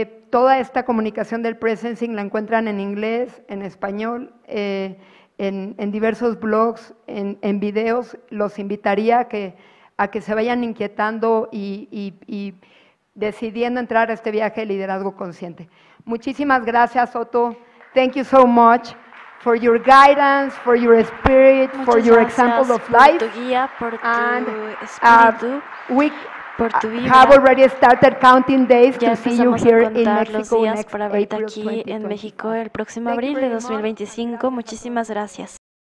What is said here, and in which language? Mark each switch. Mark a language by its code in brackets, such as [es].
[es] Toda esta comunicación del presencing la encuentran en inglés, en español, en diversos blogs, en videos. Los invitaría a que se vayan inquietando y decidiendo entrar a este viaje de liderazgo consciente. Muchísimas gracias, Otto. [en] Thank you so much for your guidance, for your spirit, [es] Muchas [en] for your example of life. [es] Muchas gracias por tu guía, por tu espíritu, por tu vida. [en] We have already started counting days [es] ya [en] to see you here in Mexico next April 2025. [es] En México el próximo abril de 2025. Muchísimas gracias.